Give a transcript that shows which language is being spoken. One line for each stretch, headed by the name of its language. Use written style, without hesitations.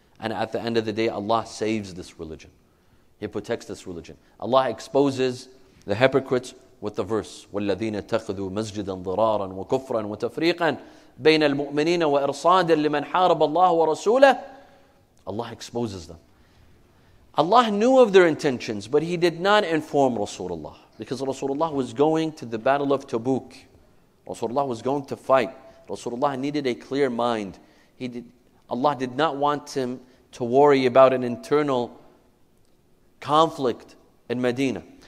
English: And at the end of the day, Allah saves this religion. He protects this religion. Allah exposes the hypocrites with the verse,
Arabic: وَالَّذِينَ اتَّخَذُوا مَسْجِدًا ضِرَارًا وَكُفْرًا وَتَفْرِيقًا بَيْنَ الْمُؤْمِنِينَ وَإِرْصَادًا لِمَنْ حَارَبَ اللَّهُ وَرَسُولَهُ.
English: Allah exposes them. Allah knew of their intentions, but he did not inform Rasulullah, because Rasulullah was going to the battle of Tabuk. Rasulullah was going to fight. Rasulullah needed a clear mind. Allah did not want him to worry about an internal conflict in Medina.